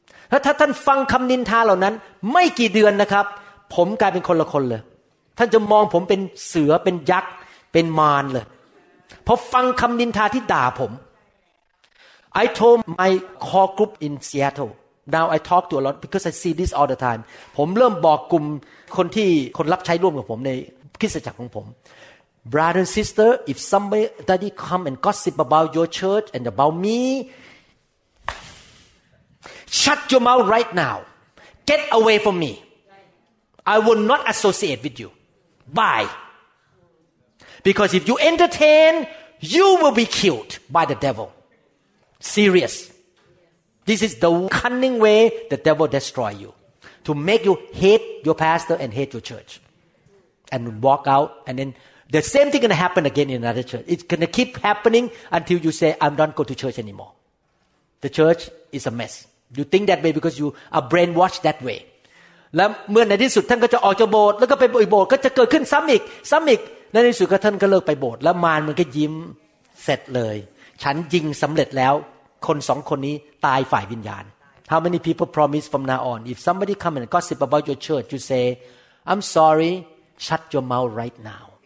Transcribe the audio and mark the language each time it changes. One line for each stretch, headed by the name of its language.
Thai: ถ้าท่านฟังคำนินทาเหล่านั้นไม่กี่เดือนนะครับผมกลายเป็นคนละคนเลยท่านจะมองผมเป็นเสือเป็นยักษ์เป็นมารเลยพอฟังคำนินทาที่ด่าผม
English: I told my core group in Seattle now I talk to a lot because I see this all the time
Thai: ผมเริ่มบอกกลุ่มคนที่คนรับใช้ร่วมกับผมในคริสตจักรของผม
English: Brother and sister if somebody come and gossip about your church and about meShut your mouth right now. Get away from me. I will not associate with you. Bye. Because if you entertain, you will be killed by the devil. Serious. This is the cunning way the devil destroys you. To make you hate your pastor and hate your church. And walk out. And then the same thing is going to happen again in another church. It's going to keep happening until you say, I don't go to church anymore. The church is a mess. You think that way because you are brainwashed that way.
Thai: แล้วเมื่อในที่สุดท่านก็จะออกจากโบสถ์แล้วก็ไปอีกโบสถ์ก็จะเกิดขึ้นซ้ำอีกในที่สุดก็ท่านก็เลิกไปโบสถ์แล้วมารมันก็ยิ้มเสร็จเลยฉันยิงสำเร็จแล้วคนสองคนนี้ตายฝ่ายวิญญาณ
English: How many people promise from now on if somebody come and gossip about your church you say I'm sorry shut your mouth right now